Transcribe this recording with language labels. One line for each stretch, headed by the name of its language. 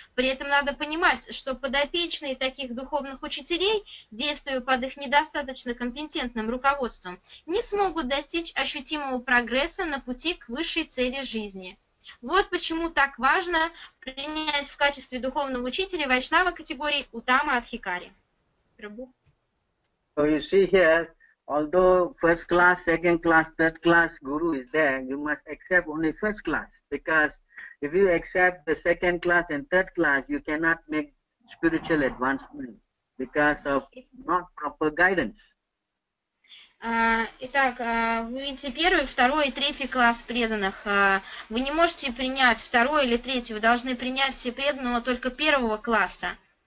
Russian: При этом надо понимать, что подопечные таких духовных учителей, действуя под их недостаточно компетентным руководством, не смогут достичь ощутимого прогресса на пути к высшей цели жизни. Вот почему так важно принять в качестве духовного учителя вайшнавы категории Утама Адхикари.
English: So you see here, although first class, second class, third class guru is there, you must accept only first class. Because if you accept the second class and third class, you cannot make spiritual advancement because of not proper guidance.
Russian: Итак, вы видите первый, второй и третий класс преданных. Вы не можете принять второй или третий, вы должны принять преданного только первого класса.